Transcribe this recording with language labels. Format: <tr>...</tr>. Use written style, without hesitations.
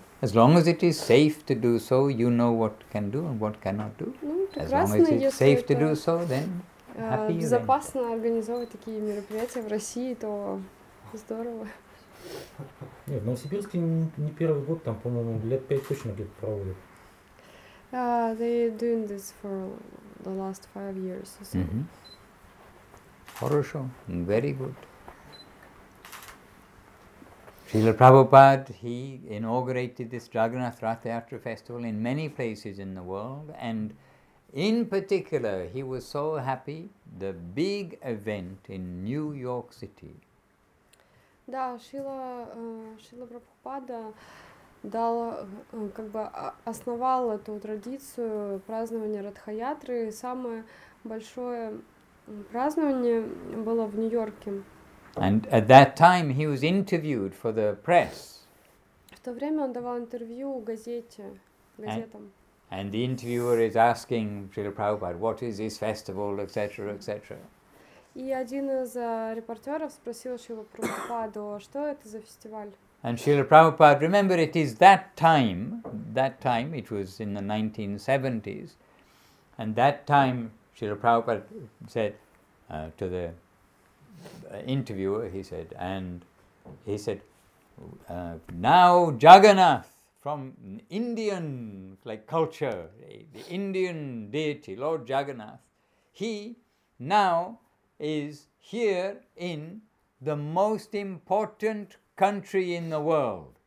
<en>As long as it is safe to do so, you know what can do and what cannot do. As long as it's safe to do so, then happy you.</en> <ru>Безопасно организовывать такие мероприятия в России, то здорово. Нет, в Новосибирске не первый год, там, по-моему, лет 5 точно где-то проводят.</ru> <en>They're doing this for the last 5 years or so.</en> <ru>Хорошо.</ru> <en>Very good. Srila Prabhupada, he inaugurated this Jagannath Rath Yatra festival in many places in the world, and in particular, he was so happy, the big event in New York City.</en> <ru>Да, Шрила Прабхупада дал, как бы основал эту традицию празднования Радха-ятры. Самое большое празднование было в Нью-Йорке.</ru> <en>And at that time he was interviewed for the press.</en> <ru>В то время он давал интервью газете, газетам.</ru> <en>And the interviewer is asking Srila Prabhupada, what is this festival, etc., etc.</en> <ru>И один из репортеров спросил Шрилу Прабхупаду, что это за фестиваль?</ru> <en>And Srila Prabhupada, remember, it is that time, it was in the 1970s, and that time Srila Prabhupada said to the interviewer, he said, now Jagannath, from Indian like culture, the Indian deity, Lord Jagannath, he now is here in the most important country in the world.</en>